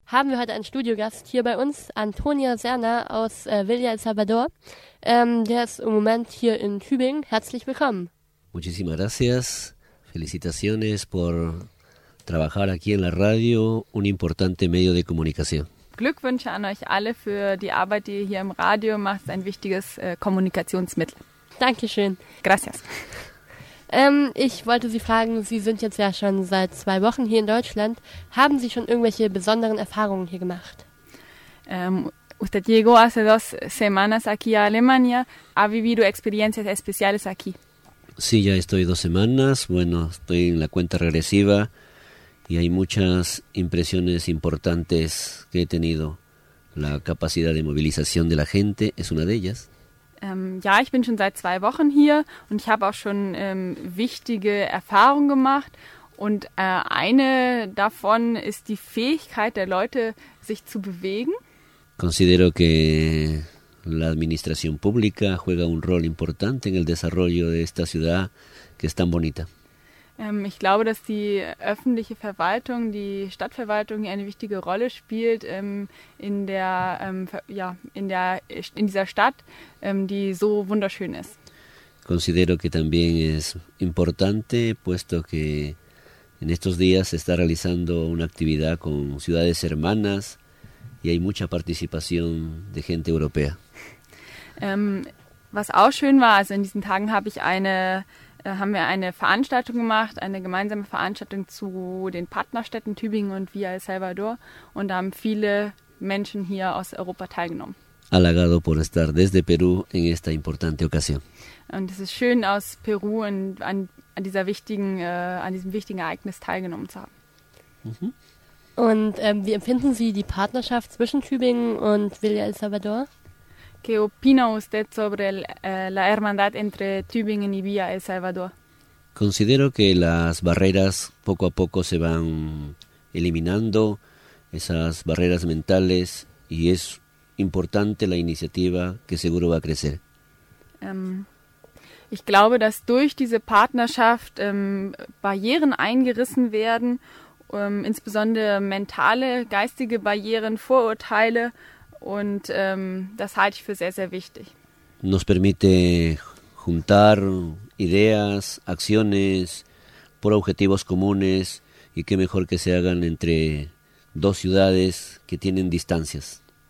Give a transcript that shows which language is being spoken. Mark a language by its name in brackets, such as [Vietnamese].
[German] haben wir heute einen Studiogast hier bei uns, Antonio Serna aus Villa El Salvador. Der ist im Moment hier in Tübingen. Herzlich willkommen. [Spanish] Muchísimas gracias. Felicitaciones por trabajar aquí en la radio, un importante medio de comunicación. [German] Glückwünsche an euch alle für die Arbeit, die ihr hier im Radio macht. Ein wichtiges Kommunikationsmittel. Dankeschön. [Spanish] Gracias. [German] Ich wollte Sie fragen, Sie sind jetzt ja schon seit 2 Wochen hier in Deutschland. Haben Sie schon irgendwelche besonderen Erfahrungen hier gemacht? [Spanish] Usted llegó hace 2 semanas aquí a Alemania. ¿Ha vivido experiencias especiales aquí? Sí, ya estoy 2 semanas. Bueno, estoy en la cuenta regresiva y hay muchas impresiones importantes que he tenido. La capacidad de movilización de la gente es una de ellas. [German] Ja, ich bin schon seit 2 Wochen hier und ich habe auch schon wichtige Erfahrungen gemacht. Und eine davon ist die Fähigkeit der Leute, sich zu bewegen. [Spanish] Considero que la administración pública juega un rol importante en el desarrollo de esta ciudad que es tan bonita. [German] Ich glaube, dass die öffentliche Verwaltung, die Stadtverwaltung, eine wichtige Rolle spielt in dieser Stadt, die so wunderschön ist. [Spanish] Considero que también es importante, puesto que en estos días se está realizando una actividad con ciudades hermanas y hay mucha participación de gente europea. [German] Was auch schön war, also in diesen Tagen haben wir eine Veranstaltung gemacht, eine gemeinsame Veranstaltung zu den Partnerstädten Tübingen und Villa El Salvador. Und da haben viele Menschen hier aus Europa teilgenommen. [Spanish] Halagado por estar desde Perú en esta importante ocasión. [German] Und es ist schön, aus Peru an diesem wichtigen Ereignis teilgenommen zu haben. Mhm. Und wie empfinden Sie die Partnerschaft zwischen Tübingen und Villa El Salvador? [Spanish] ¿Qué opina usted sobre la hermandad entre Tübingen y Villa El Salvador? Considero que las barreras poco a poco se van eliminando, esas barreras mentales, y es importante la iniciativa que seguro va a crecer. [German] Ich glaube, dass durch diese Partnerschaft Barrieren eingerissen werden, insbesondere mentale, geistige Barrieren, Vorurteile. Und das halte ich für sehr, sehr wichtig. [Spanish] Nos permite juntar ideas, acciones por objetivos comunes y qué mejor que se hagan entre 2 ciudades que tienen distancias.